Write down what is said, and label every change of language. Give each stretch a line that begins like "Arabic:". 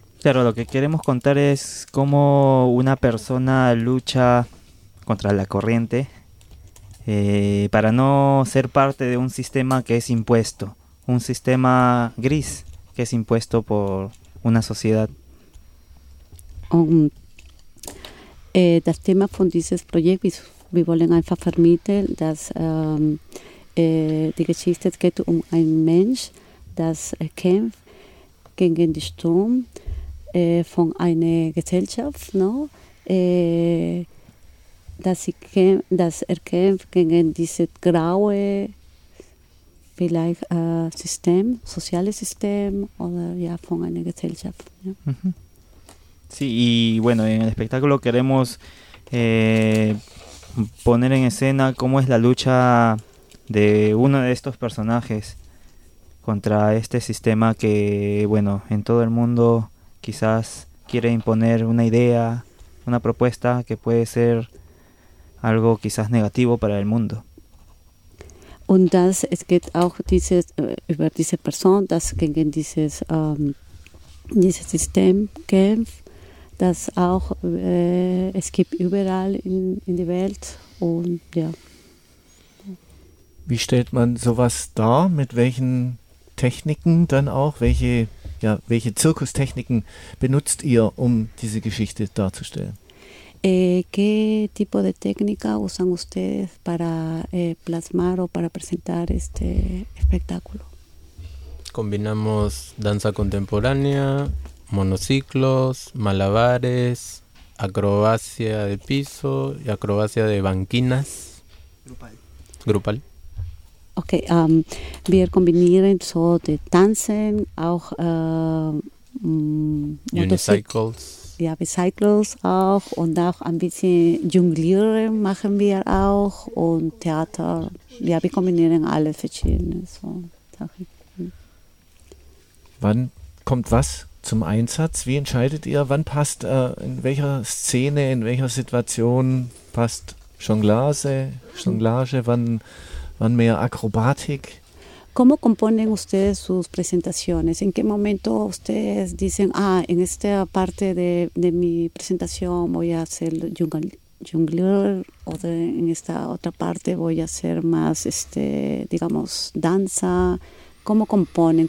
Spanish: Claro, lo que queremos contar es cómo una persona lucha contra la corriente para no ser parte de un sistema que es impuesto, un sistema gris que es impuesto por una sociedad.
German: Das Thema von dieses Projekt, wir wollen einfach vermitteln, dass die Geschichte geht um einen Mensch, das kämpft gegen den Sturm von einer Gesellschaft,
Spanish: no?
German: dass er kämpft gegen dieses graue vielleicht, System, soziales System oder ja, von einer Gesellschaft. Ja. Mhm.
Spanish: Sí, y bueno, en el espectáculo queremos poner en escena cómo es la lucha de uno de estos personajes contra este sistema que, bueno, en todo el mundo quizás quiere imponer una idea, una propuesta que puede ser algo quizás negativo para el mundo.
German: Und das, es geht auch dieses, über diese Person, das gegen dieses, dieses System kämpft. Das auch, es gibt überall in der Welt und ja. Wie stellt man sowas dar? Mit welchen Techniken dann auch? Welche, ja, welche Zirkustechniken benutzt ihr, um diese Geschichte darzustellen?
Spanish: ¿Qué tipo de técnica usan ustedes para plasmar o para presentar este espectáculo? Combinamos danza contemporánea, monociclos, malabares, acrobacia de piso y acrobacia de banquinas. Grupal.
German: Ok, wir kombinieren so de Tanzen, auch
English: Unicycles.
German: Ja, Bicycles auch und auch ein bisschen Jonglieren machen wir auch und Theater. Ja, wir kombinieren alle verschiedene so Sachen. Wann kommt was zum Einsatz? Wie entscheidet ihr, wann passt, in welcher Szene, in welcher Situation passt Jonglage, wann mehr Akrobatik?
Spanish: ¿Cómo componen ustedes sus presentaciones? ¿En qué momento ustedes dicen, ah, en esta parte de mi presentación voy a hacer jungler o en esta otra parte voy a hacer más, digamos, danza? ¿Cómo componen?